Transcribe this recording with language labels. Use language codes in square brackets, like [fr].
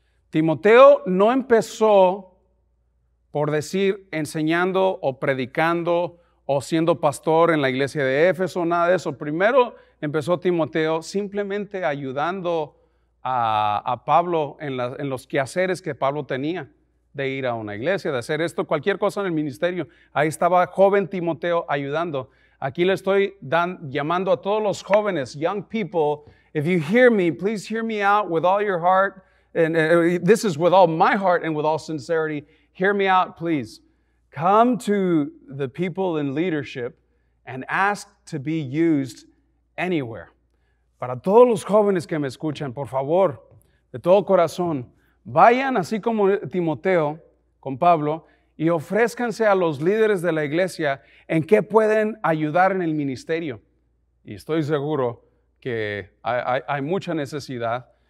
[es] Timoteo no empezó, por decir, enseñando o predicando o siendo pastor en la iglesia de Éfeso, nada de eso. Primero empezó Timoteo simplemente ayudando a Pablo en los quehaceres que Pablo tenía de ir a una iglesia, de hacer esto, cualquier cosa en el ministerio. Ahí estaba joven Timoteo ayudando. Aquí le estoy llamando a todos los jóvenes, [en] young people, if you hear me, please hear me out with all your heart, and this is with all my heart and with all sincerity, hear me out, please. Come to the people in leadership and ask to be used anywhere. [es] Para todos los jóvenes que me escuchan, por favor, de todo corazón, vayan así como Timoteo con Pablo y ofrézcanse a los líderes de la iglesia en qué pueden ayudar en el ministerio. Y estoy seguro que hay mucha necesidad.